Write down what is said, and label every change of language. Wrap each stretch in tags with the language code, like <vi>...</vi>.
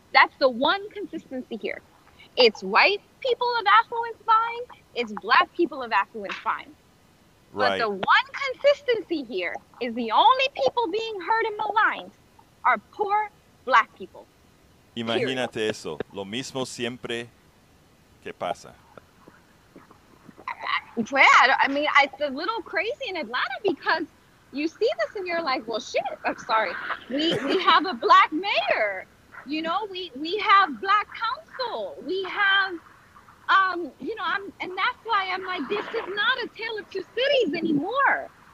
<en>That's the one consistency here. It's white people of affluence buying, it's Black people of affluence buying. Right. But the one consistency here is the only people being hurt and maligned are poor Black people.</en> <es>Imagínate eso. Lo mismo siempre que pasa.</es> <en>It's a little crazy in Atlanta because you see this and you're like, well, shit, I'm sorry. We have a Black mayor. You know, we have Black council. We have, and that's why I'm like, this is not a tale of two cities anymore.</en>